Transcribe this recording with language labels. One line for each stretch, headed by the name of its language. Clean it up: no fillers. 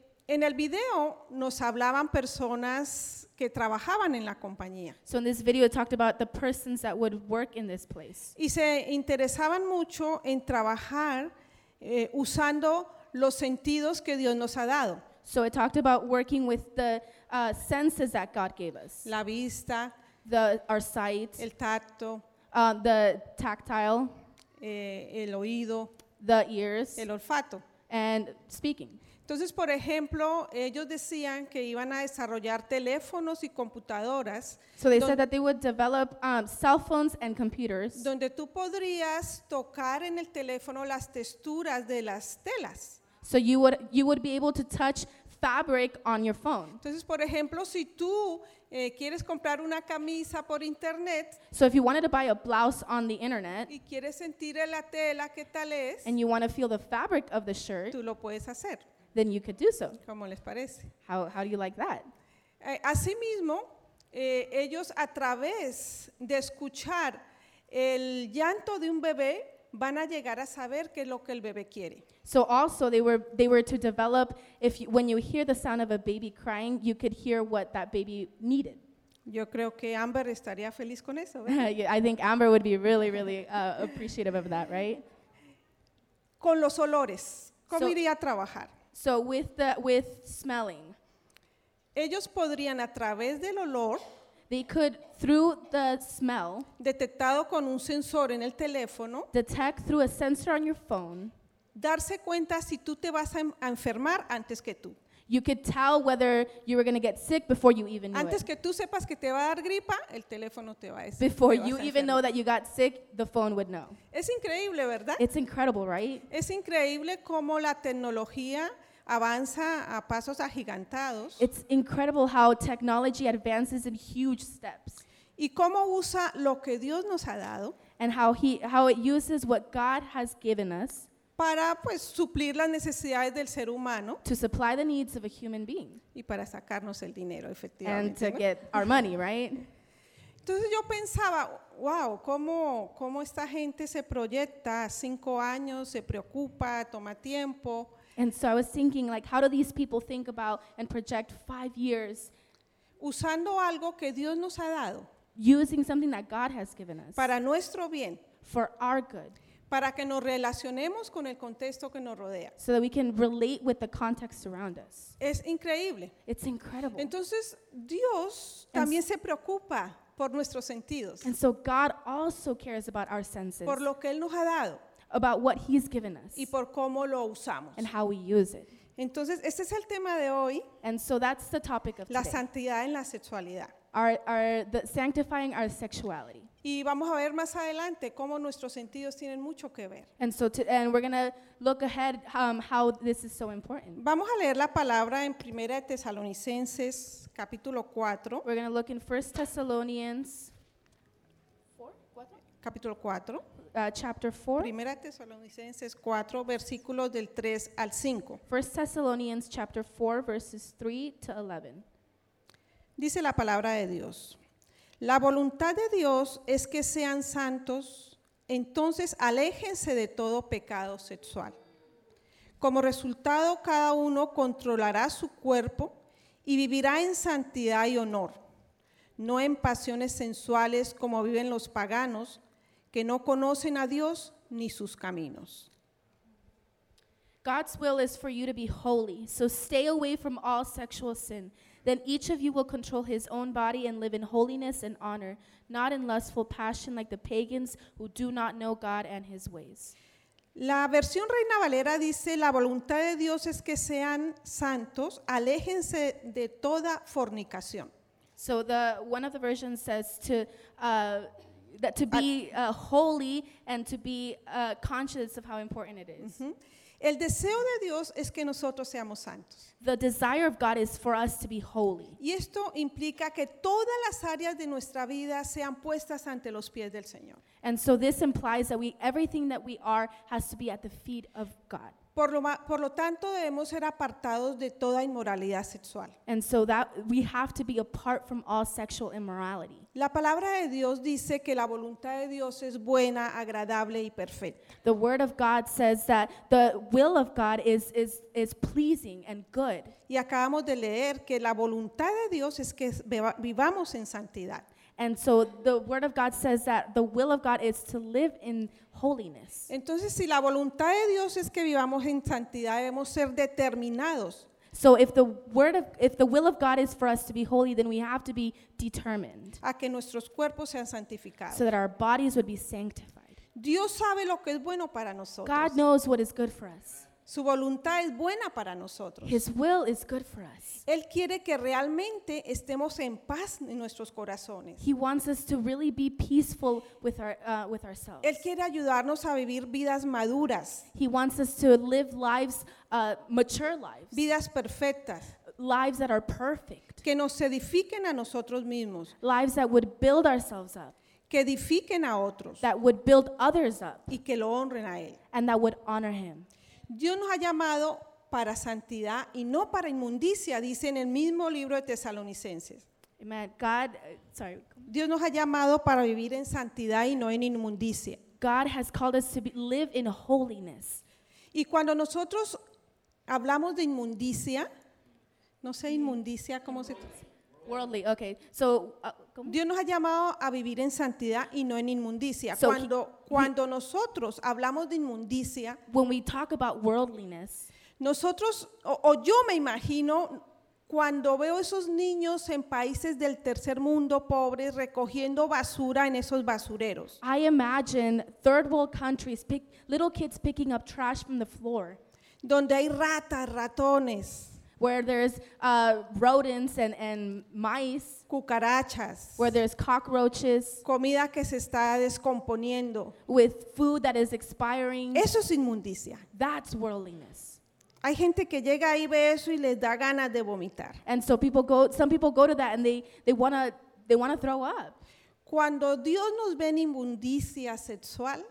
Spanish: En el video nos hablaban personas que trabajaban en la compañía.
English: So in this video it talked about the persons that would work in this place.
Spanish: Y se interesaban mucho en trabajar usando los sentidos que Dios nos ha dado.
English: So it talked about working with the senses that God gave us.
Spanish: La vista,
English: our sight,
Spanish: el tacto,
English: the tactile,
Spanish: el oído,
English: the ears,
Spanish: el olfato,
English: and speaking.
Spanish: Entonces, por ejemplo, ellos decían que iban a desarrollar teléfonos y computadoras.
English: So they said that they would develop cell phones and computers.
Spanish: Donde tú podrías tocar en el teléfono las texturas de las telas.
English: So you would be able to touch fabric on your phone.
Spanish: Entonces, por ejemplo, si tú quieres comprar una camisa por internet.
English: So if you wanted to buy a blouse on the internet.
Spanish: Y quieres sentir la tela, ¿qué tal es?
English: And you want to feel the fabric of the shirt.
Spanish: Tú lo puedes hacer.
English: Then you could do so.
Spanish: ¿Cómo les parece?
English: How do you like that?
Spanish: Asimismo, ellos a través de escuchar el llanto de un bebé van a llegar a saber qué es lo que el bebé quiere.
English: So also they were to develop when you hear the sound of a baby crying, you could hear what that baby needed.
Spanish: Yo creo que Amber estaría feliz con eso.
English: I think Amber would be really, really appreciative of that, right?
Spanish: Con los olores, ¿cómo iría a trabajar?
English: So with smelling,
Spanish: ellos podrían a través del olor,
English: they could through the smell,
Spanish: detectado con un sensor en el teléfono,
English: detect through a sensor on your phone,
Spanish: darse cuenta si tú te vas a enfermar antes que tú.
English: You could tell whether you were going to get sick before you even knew
Spanish: antes
English: it.
Spanish: Que tú sepas que te va a dar gripa, el teléfono te va a decir.
English: Before
Spanish: te
English: you
Spanish: vas a
English: even
Spanish: enfermar.
English: Know that you got sick, the phone would know.
Spanish: Es increíble, ¿verdad?
English: It's incredible, right?
Spanish: Es increíble cómo la tecnología avanza a pasos agigantados.
English: It's incredible how technology advances in huge steps.
Spanish: Y cómo usa lo que Dios nos ha dado.
English: And how it uses what God has given us.
Spanish: Para pues suplir las necesidades del ser humano.
English: To supply the needs of a human being.
Spanish: Y para sacarnos el dinero, efectivamente.
English: And to get our money, right?
Spanish: Entonces yo pensaba, wow, cómo esta gente se proyecta 5 años, se preocupa, toma tiempo.
English: And so I was thinking, like, how do these people think about and project 5 years?
Spanish: Usando algo que Dios nos ha dado.
English: Using something that God has given us.
Spanish: Para nuestro bien.
English: For our good.
Spanish: Para que nos relacionemos con el contexto que nos rodea.
English: So that we can relate with the context around us.
Spanish: Es increíble.
English: It's incredible.
Spanish: Entonces Dios también se preocupa por nuestros sentidos.
English: And so God also cares about our senses.
Spanish: Por lo que Él nos ha dado.
English: About what He's given us.
Spanish: Y por cómo lo usamos.
English: And how we use it.
Spanish: Entonces, este es el tema de hoy.
English: And so that's the topic of
Spanish: la
English: today.
Spanish: La santidad en la sexualidad.
English: Sanctifying our sexuality.
Spanish: Y vamos a ver más adelante cómo nuestros sentidos tienen mucho que ver.
English: And we're going to look ahead how this is so important.
Spanish: Vamos a leer la palabra en Primera de Tesalonicenses capítulo 4.
English: We're going to look in 1 Thessalonians 4.
Spanish: Primera de Tesalonicenses 4, versículos del 3 al 5.
English: 1 Thessalonians chapter 4, verses 3 to 11.
Spanish: Dice la palabra de Dios. La voluntad de Dios es que sean santos, entonces aléjense de todo pecado sexual. Como resultado, cada uno controlará su cuerpo y vivirá en santidad y honor, no en pasiones sensuales como viven los paganos, que no conocen a Dios ni sus caminos.
English: God's will is for you to be holy, so stay away from all sexual sin. Then each of you will control his own body and live in holiness and honor, not in lustful passion like the pagans who do not know God and his ways.
Spanish: La versión Reina Valera dice, la voluntad de Dios es que sean santos, aléjense de toda fornicación.
English: So one of the versions says to be holy and to be conscious of how important it is. Mm-hmm.
Spanish: El deseo de Dios es que nosotros seamos santos.
English: The desire of God is for us to be holy.
Spanish: Y esto implica que todas las áreas de nuestra vida sean puestas ante los pies del Señor.
English: And so this implies that everything that we are has to be at the feet of God.
Spanish: Por lo tanto, debemos ser apartados de toda inmoralidad sexual.
English: And so that we have to be apart from all sexual immorality.
Spanish: La palabra de Dios dice que la voluntad de Dios es buena, agradable y perfecta.
English: The word of God says that the will of God is pleasing and good.
Spanish: Y acabamos de leer que la voluntad de Dios es que vivamos en santidad.
English: And so the word of God says that the will of God is to live in holiness.
Spanish: Entonces, si la voluntad de Dios es que vivamos en santidad, debemos ser determinados.
English: So if the will of God is for us to be holy, then we have to be determined.
Spanish: A que nuestros cuerpos sean santificados.
English: So that our bodies would be sanctified.
Spanish: Dios sabe lo que es bueno para nosotros.
English: God knows what is good for us.
Spanish: Su voluntad es buena para nosotros.
English: His will is good for us.
Spanish: Él quiere que realmente estemos en paz en nuestros corazones.
English: He wants us to really be peaceful with ourselves.
Spanish: Él quiere ayudarnos a vivir vidas maduras.
English: He wants us to live lives, mature lives.
Spanish: Vidas perfectas.
English: Lives that are perfect.
Spanish: Que nos edifiquen a nosotros mismos.
English: Lives that would build ourselves up.
Spanish: Que edifiquen a otros.
English: That would build others up.
Spanish: Y que lo honren a Él.
English: And that would honor Him.
Spanish: Dios nos ha llamado para santidad y no para inmundicia, dice en el mismo libro de Tesalonicenses.
English: Amen. God, sorry.
Spanish: Dios nos ha llamado para vivir en santidad y no en inmundicia.
English: God has called us to live in holiness.
Spanish: Y cuando nosotros hablamos de inmundicia, no sé inmundicia, ¿cómo se dice?
English: Worldly, okay. So,
Spanish: Dios nos ha llamado a vivir en santidad y no en inmundicia. So cuando nosotros hablamos de inmundicia,
English: when we talk about worldliness,
Spanish: nosotros, o yo me imagino, cuando veo esos niños en países del tercer mundo pobres recogiendo basura en esos basureros.
English: I imagine third world countries, little kids picking up trash from the floor.
Spanish: Donde hay ratas, ratones.
English: Where there's rodents and mice.
Spanish: Cucarachas.
English: Where there's cockroaches.
Spanish: Comida que se está descomponiendo.
English: With food that is expiring.
Spanish: Eso es inmundicia.
English: That's worldliness.
Spanish: Hay gente que llega y ve eso y les da ganas de vomitar.
English: And so people go, some people go to that and they want to throw up.
Spanish: Cuando Dios nos ve en inmundicia sexual,